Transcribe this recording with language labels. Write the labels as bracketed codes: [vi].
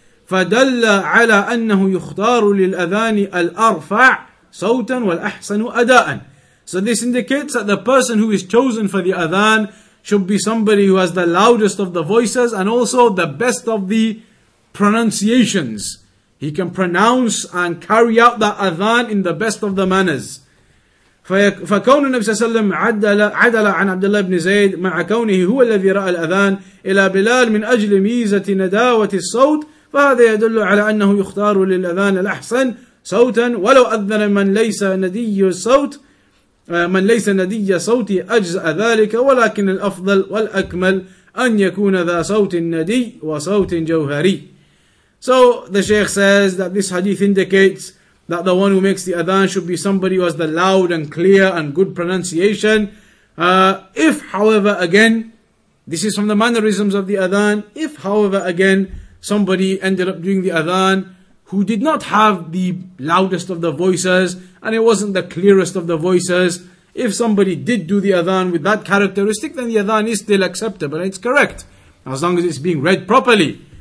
[ar] فَدَلَّ عَلَىٰ أَنَّهُ يُخْتَارُ لِلْأَذَانِ الْأَرْفَعِ صَوْتًا وَالْأَحْسَنُ أَدَاءً. [en] So this indicates that the person who is chosen for the adhan should be somebody who has the loudest of the voices and also the best of the pronunciations. He can pronounce and carry out that adhan in the best of the manners. [ar] فكون النبي صلى الله عليه وسلم عدل عن عبد الله بن زيد مع كونه هو الذي رأى الأذان إلى بلال من أجل ميزة نداوة الصوت فهذا يدل على أنه يختار للأذان الأحسن صوتا ولو أذن من ليس ندي الصوت من ليس ندي صوتي أجزأ ذلك ولكن الأفضل والأكمل أن يكون ذا صوت ندي وصوت جوهري. [en] So the Sheikh says that this hadith indicates that the one who makes the adhan should be somebody who has the loud and clear and good pronunciation. If, however, again, this is from the mannerisms of the adhan, if, however, again, somebody ended up doing the adhan who did not have the loudest of the voices and it wasn't the clearest of the voices, if somebody did do the adhan with that characteristic, then the adhan is still acceptable and it's correct, as long as it's being read properly.